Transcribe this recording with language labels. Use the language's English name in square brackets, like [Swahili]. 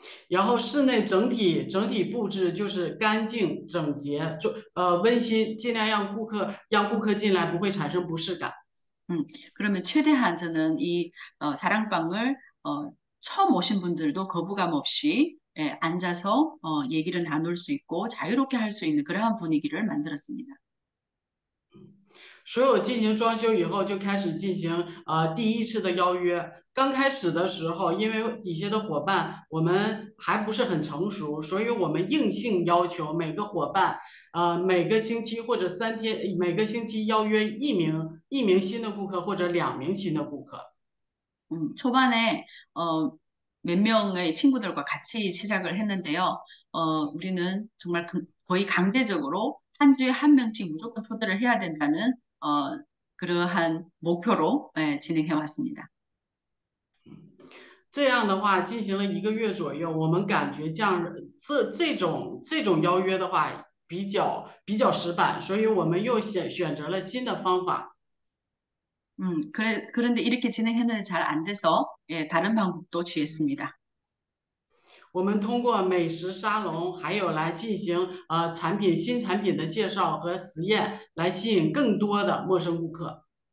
[Chinese] 然后室内整体布置就是干净整洁，温馨，尽量让顾客进来不会产生不适感。 [Korean] 그러면 최대한 저는 이 사랑방을 처음 오신 분들도 거부감 없이 앉아서 얘기를 나눌 수 있고 자유롭게 할수 있는 그러한 분위기를 만들었습니다. [Chinese] 所有进行装修以后，就开始进行第一次的邀约。刚开始的时候，因为底下的伙伴我们还不是很成熟，所以我们硬性要求每个伙伴，每个星期或者三天，每个星期邀约一名新的顾客或者2名新的顾客。 [Korean] 초반에 몇 명의 친구들과 같이 시작을 했는데요. 우리는 정말 거의 강제적으로 한 주에 한 명씩 무조건 초대를 해야 된다는 그러한 목표로 진행해 왔습니다. [Chinese] 这样的话，进行了1个月左右，我们感觉这种邀约的话比较失败，所以我们又选择了新的方法。 [Korean] 그런데 이렇게 진행했는데 잘안 돼서 다른 방법도 취했습니다. [Chinese] 我们通过美食沙龙，还有来进行新产品的介绍和实验，来吸引更多的陌生顾客。